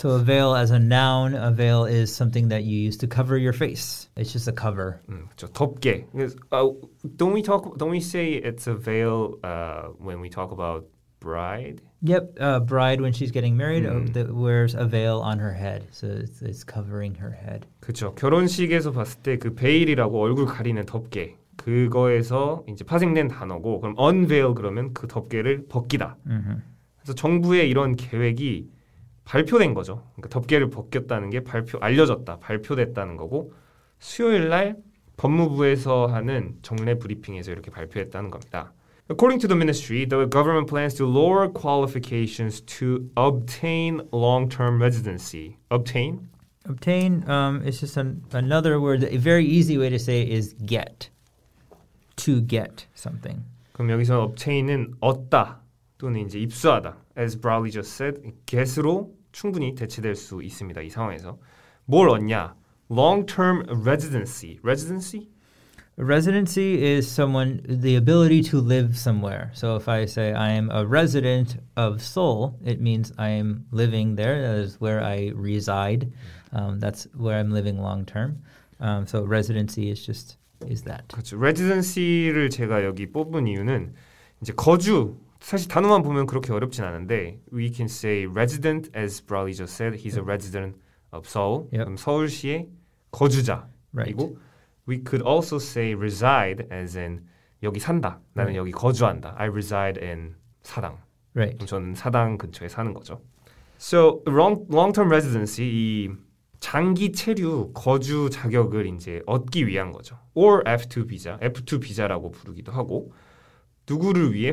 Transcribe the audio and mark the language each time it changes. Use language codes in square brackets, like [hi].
[en] So a veil as a noun, a veil is something that you use to cover your face. It's just a cover. [ko] 덮개. [en] Don't we say it's a veil when we talk about bride? Yep, bride when she's getting married wears a veil on her head, so it's covering her head. [ko] 그렇죠. 결혼식에서 봤을 때 그 베일이라고 얼굴 가리는 덮개 그거에서 이제 파생된 단어고 그럼 unveil 그러면 그 덮개를 벗기다. Mm-hmm. 그래서 정부의 이런 계획이 발표된 거죠. 그러니까 덮개를 벗겼다는 게 발표 알려졌다, 발표됐다는 거고 수요일 날 법무부에서 하는 정례 브리핑에서 이렇게 발표했다는 겁니다. [en] According to the ministry, the government plans to lower qualifications to obtain long-term residency. Obtain? Obtain is just another word. A very easy way to say is get. To get something. [ko] 그럼 여기서 obtain은 얻다 또는 이제 입수하다. [en] As Bradley just said, [ko] get으로 충분히 대체될 수 있습니다. 이 상황에서. 뭘 얻냐? [en] Long-term residency. Residency? Residency is someone, the ability to live somewhere. So if I say I am a resident of Seoul, it means I am living there. That is where I reside. That's where I'm living long term. So residency is just, is that. [ko] 그렇죠. Residency를 제가 여기 뽑은 이유는 이제 거주, 사실 단어만 보면 그렇게 어렵진 않은데 [en] we can say resident, as Bradley just said, he's a resident of Seoul. Yep. [ko] 그럼 서울시의 거주자이고 [en] right. We could also say reside as in [ko] 여기 산다. 나는 [en] right. [ko] 여기 거주한다. [en] I reside in [ko] 사당. [en] Right. [ko] 그럼 저는 사당 근처에 사는 거죠. [en] So long-term residency, [ko] 이 장기 체류 거주 자격을 이제 얻기 위한 거죠. Or F2 비자, F2 비자라고 부르기도 하고 누구를 위해?